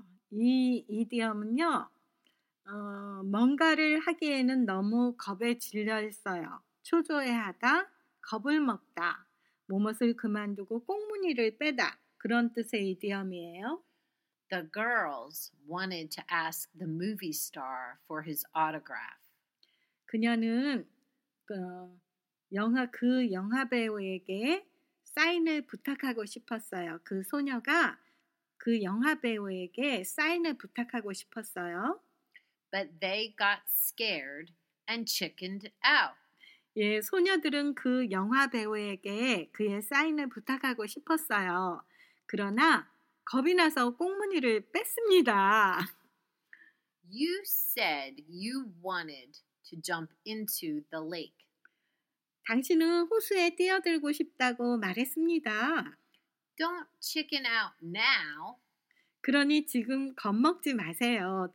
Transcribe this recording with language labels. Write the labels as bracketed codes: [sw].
[ko] 이 이디엄은요, 뭔가를 하기에는 너무 겁에 질려 있어요. 초조해하다, 겁을 먹다, 무엇을 그만두고 꽁무니를 빼다. 그런 뜻의 이디엄이에요. [en] The girls wanted to ask the movie star for his autograph. [ko] 그녀는 영화 배우에게 사인을 부탁하고 싶었어요. 그 소녀가 그 영화 배우에게 사인을 부탁하고 싶었어요. [en] But they got scared and chickened out. [ko] 예, 소녀들은 그 영화 배우에게 그의 사인을 부탁하고 싶었어요. 그러나 겁이 나서 꽁무니를 뺐습니다. [en] You said you wanted to jump into the lake. [ko] 당신은 호수에 뛰어들고 싶다고 말했습니다. [en] Don't chicken out now. [ko] 그러니 지금 겁먹지 마세요.